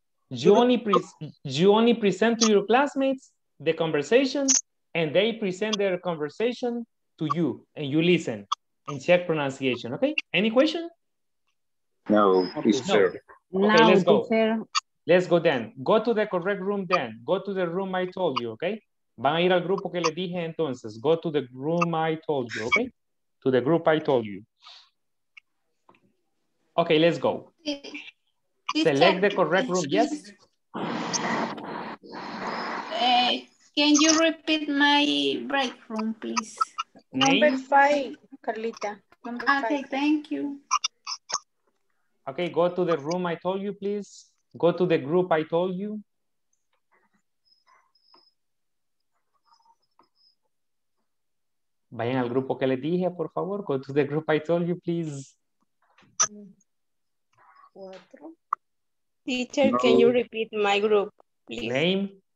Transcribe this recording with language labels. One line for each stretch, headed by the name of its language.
English: You only present to your classmates the conversation, and they present their conversation to you, and you listen and check pronunciation. Okay? Any question? No, please, no. Sir. Okay, let's go. Let's go then. Go to the correct room then. Go to the room I told you, okay?
Spanish: Van a ir al grupo que le dije entonces.
English: Go to the room I told you, okay? To the group I told you. Okay, let's go. Select the correct room, yes? Can you repeat my break room, please? Number five, Carlita. Okay, thank you. Okay, go to the room I told you, please. Go to the group I told you.
Spanish: Vayan al grupo que les dije, por favor.
English: Go to the group I told you, please.
Spanish: Cuatro.
English: Teacher, no. Can you repeat my group, please?